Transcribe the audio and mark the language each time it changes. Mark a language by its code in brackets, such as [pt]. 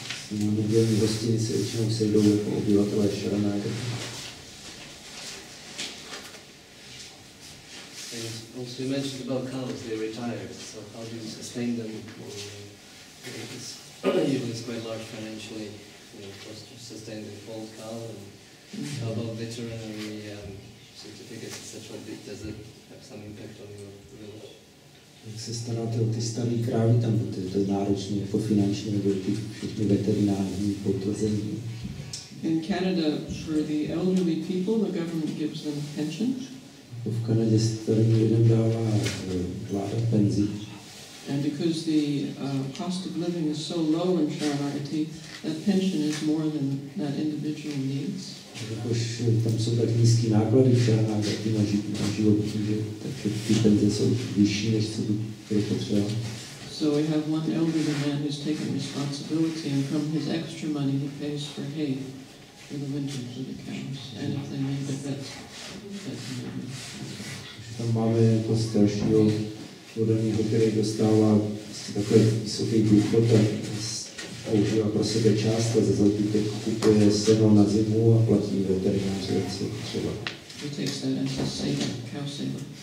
[en] And also you mentioned about cows, they retire, so how do you sustain them? Even it's quite large financially, just to sustain the old cow, and how about veterinary certificates, etc. Does it have some impact on your village? [cs] Jak se staráte o ty staré krávy tam, protože to je náročné, jako finančně, nebo všechny veterinární potvrzení? [en] In Canada, for the elderly people, the government gives them pensions. [cs] V Kanadě starým lidem dává vláda penzi. [en] And because the cost of living is so low in Charity, that pension is more than that individual needs. [cs] Protože tam jsou tak nízký náklady v Charity na život, takže ty penze jsou vyšší, než co by potřeba. [en] So we have one elderly man who's taken responsibility, and from his extra money he pays for hay for the winter for the cows, and if they need a bit, that's maybe. [cs] Tam máme jako staršího podaného, který dostává takový vysoký důchod a používá pro sebe část a za to, že kupuje seno na zimu a platí veterináře, jak se třeba. [en] He takes that as a saver, cow saver.